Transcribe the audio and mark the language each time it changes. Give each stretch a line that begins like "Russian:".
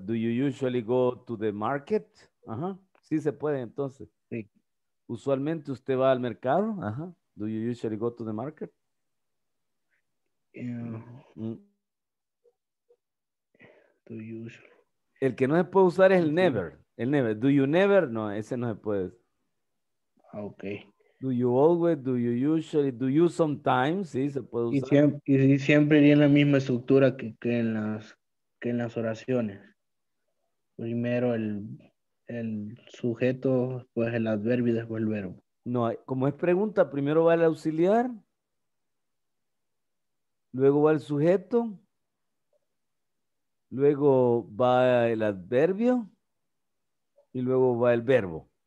English: Do you usually go to the market?
Spanish: Ajá, sí se puede entonces. Sí. ¿Usualmente usted va al mercado? Ajá.
English: Do you usually go to the market? Do you usually?
Spanish: El que no se puede usar es el never. El never.
English: Do you never?
Spanish: No, ese no se puede.
English: Ok. Do you always, do you usually, do you sometimes?
Spanish: Sí, se puede usar. Y siempre tiene la misma estructura que en las oraciones. Primero el sujeto, después el adverbio y después el verbo. No, como es pregunta, primero va el auxiliar, luego va el sujeto, luego va el adverbio y luego va el verbo.